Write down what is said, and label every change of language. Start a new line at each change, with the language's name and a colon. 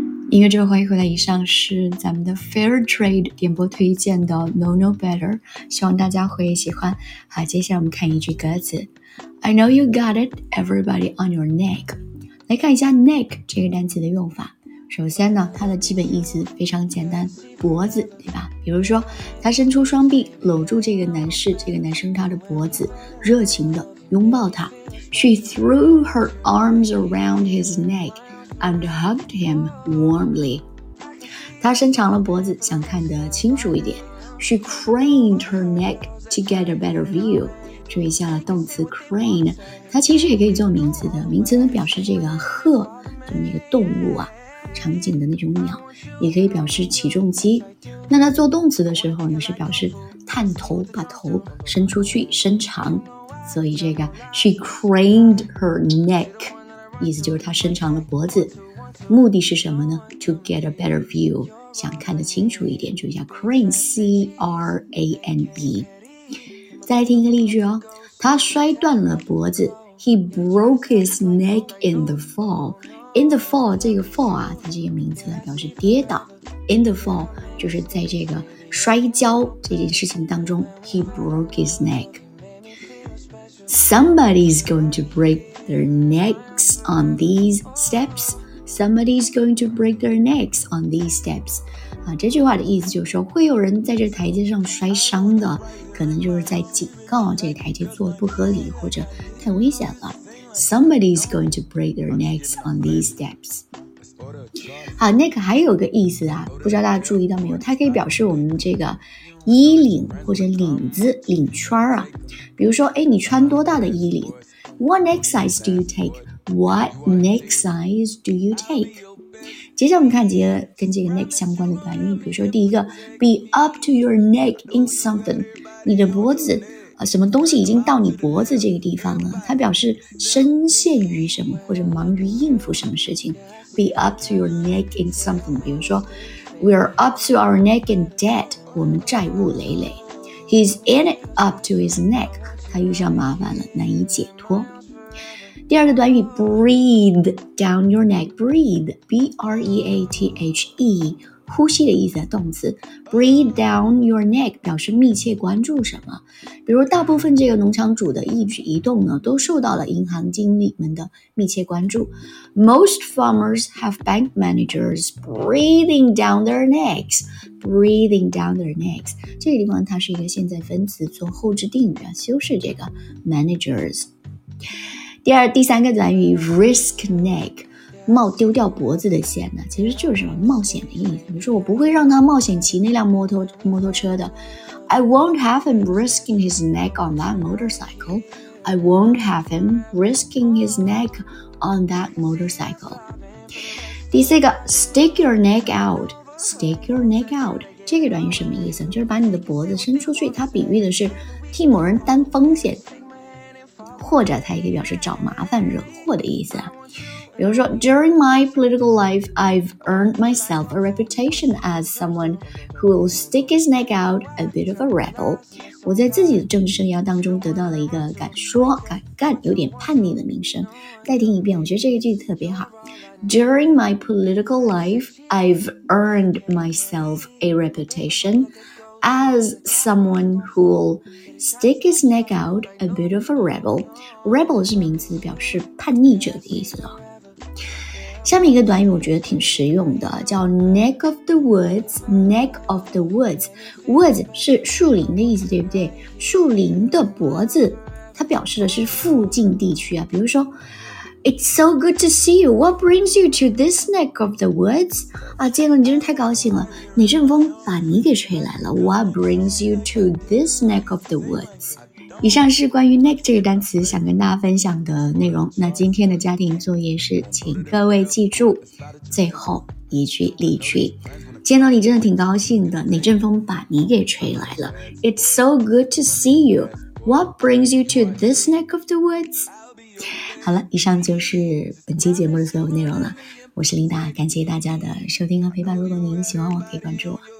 Chinese: 音乐之后欢迎回来，以上是咱们的 Fairtrade 点播推荐的 No No Better， 希望大家会喜欢。好，接下来我们看一句歌词。
English: I know you got it, everybody on your neck。
Chinese: 来看一下 neck 这个单词的用法。首先呢，它的基本意思非常简单，脖子，对吧？比如说他伸出双臂搂住这个男士，这个男生他的脖子热情地拥抱他。
English: She threw her arms around his neckAnd hugged him warmly.
Chinese: 她伸长了脖子，想看得清楚一点。
English: She craned her neck to get a better view.
Chinese: 注意一下动词 crane， 它其实也可以做名词的。名词呢表示这个鹤，就是那个动物啊，场景的那种鸟，也可以表示起重机。那它做动词的时候呢，是表示探头，把头伸出去，伸长。所以这个
English: she craned her neck.
Chinese: 意思就是他伸长了脖子，目的是什么呢？
English: To get a better view，
Chinese: 想看得清楚一点。 注意一下 crane， C-R-A-N-E。再来听一个例句哦，他摔断了脖子。
English: He broke his neck in the fall。 In the fall，
Chinese: 这个 fall 啊，它是一个名词，表示跌倒。 In the fall 就是在这个摔跤这件事情当中，
English: He broke his neck。 Somebody's going to breakTheir necks on these steps. Somebody's going to break their necks on these steps.
Chinese: 啊，这句话的意思就是说，会有人在这台阶上摔伤的，可能就是在警告这个台阶做得不合理或者太危险了。
English: Somebody's going to break their necks on these steps.
Chinese: 好 ,Nick 还有个意思啊，不知道大家注意到没有，它可以表示我们这个衣领或者领子领圈啊。比如说哎，你穿多大的衣领 ?
English: What neck size do you take? What neck size do you take?
Chinese: 接下来我们看几个跟这个 neck 相关的短语，比如说第一个 ,
English: be up to your neck in something,
Chinese: 你的脖子什么东西已经到你脖子这个地方了，它表示深陷于什么或者忙于应付什么事情。
English: Be up to your neck in something.
Chinese: 比如说
English: We are up to our neck in debt.
Chinese: 我们债务累累。
English: He's in it up to his neck.
Chinese: 他遇上麻烦了，难以解脱。第二个短语
English: Breathe down your neck.
Chinese: Breathe. B-R-E-A-T-H-E. 呼吸的意思，动词。
English: Breathe down your neck.
Chinese: 表示密切关注什么。比如大部分这个农场主的一举一动呢，都受到了银行经理们的密切关注。
English: Most farmers have bank managers breathing down their necks. Breathing down their necks.
Chinese: 这个地方它是一个现在分词，做后置定语，修饰这个 managers。第三个短语 risk neck, 冒丢掉脖子的险呢，其实就是什么冒险的意思。你说我不会让他冒险骑那辆摩托车的。
English: I won't have him risking his neck on that motorcycle. I won't have him risking his neck on that motorcycle.
Chinese: 第四个
English: stick your neck out. Stick your neck out.
Chinese: 这个短语什么意思，就是把你的脖子伸出去，它比喻的是替某人担风险。或者它也可以表示找麻烦惹祸的意思啊。比如说
English: During my political life, I've earned myself a reputation as someone who will stick his neck out, a bit of a rebel.
Chinese: 我在自己的政治生涯当中得到了一个敢说敢干有点叛逆的名声。再听一遍，我觉得这个句子特别好。
English: During my political life, I've earned myself a reputation as someone who will stick his neck out, a bit of a rebel.
Chinese: Rebel 是名词，表示叛逆者的意思。下面一个短语我觉得挺实用的，叫
English: neck of the woods, neck of the woods.
Chinese: Woods 是树林的意思，对不对？树林的脖子，它表示的是附近地区啊。比如说
English: It's so good to see you. What brings you to this neck of the woods?
Chinese: 啊，见了你真是太高兴了。哪阵风把你给吹来了？
English: What brings you to this neck of the woods?
Chinese: 以上是关于 neck 这个单词想跟大家分享的内容。那今天的家庭作业是请各位记住最后一句例句。见到你真的挺高兴的，哪阵风把你给吹来了。
English: It's so good to see you. What brings you to this neck of the woods?
Chinese: 好了，以上就是本期节目的所有内容了。我是琳达，感谢大家的收听和陪伴。如果您喜欢我可以关注我。